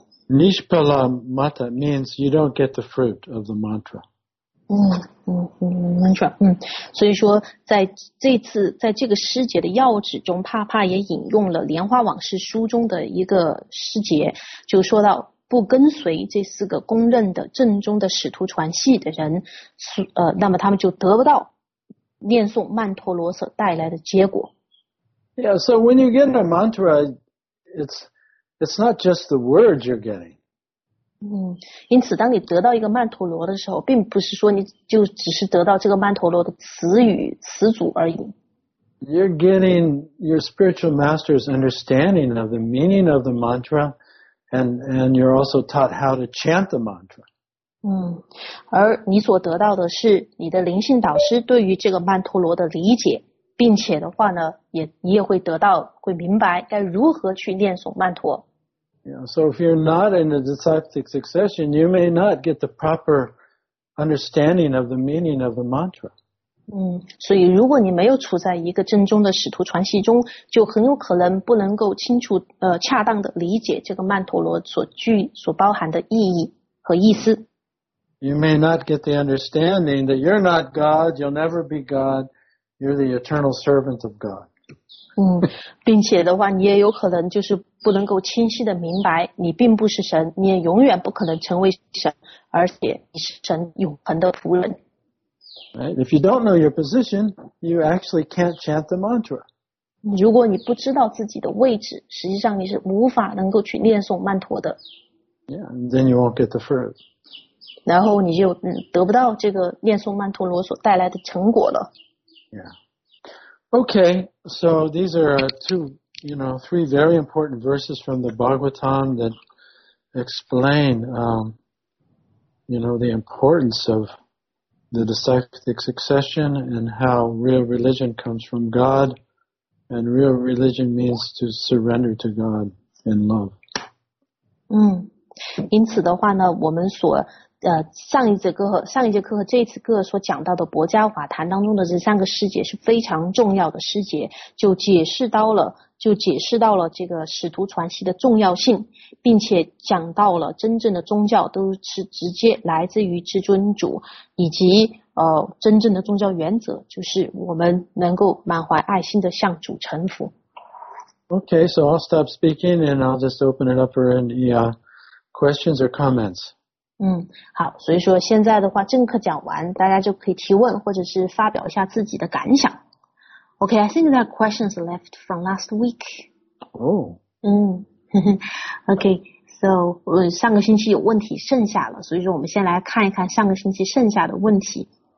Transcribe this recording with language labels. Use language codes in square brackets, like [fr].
[en] Nishpala mata means you don't get the fruit of the mantra. Mantra. [zh] 所以说在这次在这个诗节的要旨中，帕帕也引用了莲花往事书中的一个诗节，就说到不跟随这四个公认的正宗的使徒传系的人，那么他们就得不到念诵曼陀罗所带来的结果。 [en] Yeah, so when you get a mantra, it's not just the words you're getting. [zh] 因此当你得到一个曼陀罗的时候，并不是说你就只是得到这个曼陀罗的词语词组而已。 [en] You're getting your spiritual master's understanding of the meaning of the mantra, and you're also taught how to chant the mantra. [zh] 而你所得到的是你的灵性导师对于这个曼陀罗的理解，并且的话呢，你也会得到，会明白该如何去念诵曼陀。 [en] Yeah, so if you're not in a disciplic succession, you may not get the proper understanding of the meaning of the mantra. [zh] 所以如果你没有处在一个正宗的使徒传系中，就很有可能不能够清楚恰当的理解这个曼陀罗所包含的意义和意思。 [en] You may not get the understanding that you're not God, you'll never be God, you're the eternal servant of God. [zh] 并且的话，你也有可能就是不能够清晰的明白，你并不是神，你也永远不可能成为神，而且你是神永恒的仆人。 [en] Right? If you don't know your position, you actually can't chant the mantra. [zh] 如果你不知道自己的位置，实际上你是无法能够去念诵曼陀的。 [en] Yeah, and then you won't get the fruit. [zh] 然后你就得不到这个念诵曼陀罗所带来的成果了。 [en] Yeah. Okay, so these are three very important verses from the Bhagavatam that explain, the importance of the disciplic succession and how real religion comes from God, and real religion means to surrender to God in love. [zh] 因此的话呢，我们所上一节课和这一次课所讲到的薄伽瓦坛当中的这三个师节是非常重要的师节，就解释到了这个使徒传系的重要性，并且讲到了真正的宗教都是直接来自于至尊主，以及真正的宗教原则就是我们能够满怀爱心的向主臣服。 [en] Okay, so I'll stop speaking and I'll just open it up for any questions or comments. [zh] 好，所以说现在的话正课讲完，大家就可以提问或者是发表一下自己的感想。 [en] OK, I think that questions left from last week. OK, so [zh] 上个星期有问题剩下了，所以说我们先来看一看上个星期剩下的问题。